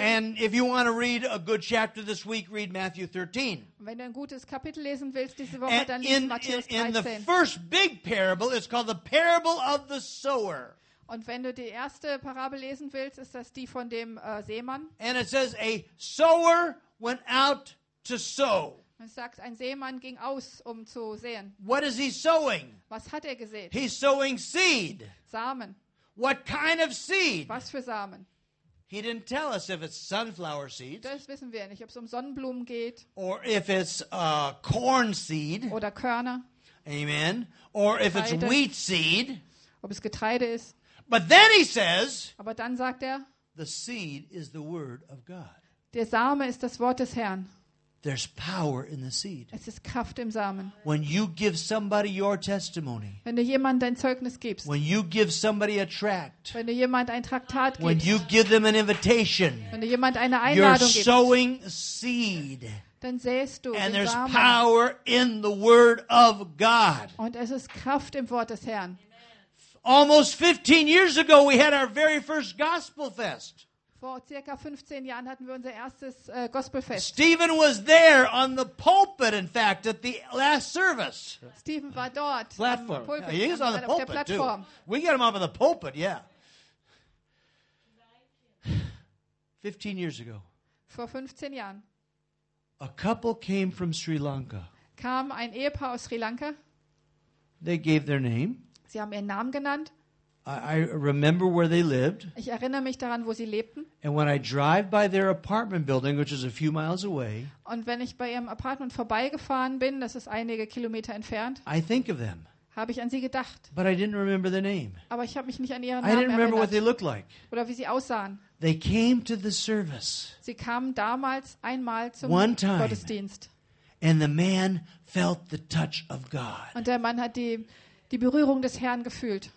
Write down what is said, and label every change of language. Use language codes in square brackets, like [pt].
[en] And if you want to read a good chapter this week, read Matthew 13. [de] Wenn du ein gutes Kapitel lesen willst diese Woche, dann lies Matthäus 13. [en] In the first big parable, it's called the parable of the sower. [de] Und wenn du die erste Parabel lesen willst, ist das die von dem Seemann. [en] And it says, a sower went out to sow. [de] Es sagt, ein Seemann ging aus, um zu säen. [en] What is he sowing? [de] Was hat er gesät? [en] He's sowing seed. [de] Samen. [en] What kind of seed? [de] Was für Samen? [en] He didn't tell us if it's sunflower seeds. [de] Das wissen wir nicht, ob es um Sonnenblumen geht. [en] Or if it's corn seed. [de] Oder Körner. [en] Amen. Or [de] Getreide. [en] If it's wheat seed. [de] Ob es Getreide ist. [en] But then he says, [de] aber dann sagt er, [en] the seed is the word of God. [de] Der Same ist das Wort des Herrn. [en] There's power in the seed. [de] Es ist Kraft im Samen. [en] When you give somebody your testimony, [de] wenn du jemand dein Zeugnis gibst, [en] when you give somebody a tract, [de] wenn du jemand ein Traktat gibst, [en] when you give them an invitation, [de] wenn du jemand eine Einladung [en] you're [de] gibst, [en] sowing seed. [de] Dann säst du [en] and there's power in the word of God. [de] Und es ist Kraft im Wort des Herrn. [en] Almost 15 years ago we had our very first gospel fest. [de] Vor circa 15 Jahren hatten wir unser erstes Gospelfest. [en] Stephen was there on the pulpit, in fact, at the last service. Stephen war dort. Platform. Pulpit, yeah, he was on the pulpit too. We got him up on the pulpit, yeah. 15 years ago. [de] Vor 15 Jahren. [en] A couple came from Sri Lanka. [de] Kam ein Ehepaar aus Sri Lanka. [en] They gave their name. [de] Sie haben ihren Namen genannt. [en] I remember where they lived. [de] Ich erinnere mich daran, wo sie lebten. [en] And when I drive by their apartment building, which is a few miles away, [de] und wenn ich bei ihrem Apartment vorbeigefahren bin, das ist einige Kilometer entfernt, [en] I think of them. [de] Habe ich an sie gedacht. [en] But I didn't remember their name. [de] Aber ich habe mich nicht an ihren Namen erinnert. [en] I didn't remember [de] erinnert. [en] What they looked like. [de] Oder wie sie aussahen. [en] They came to the service. [de] Sie kamen damals einmal zum [en] One time. [de] Gottesdienst. [en] And the man felt the touch of God. [de] Und der Mann hat die Berührung des Herrn gefühlt.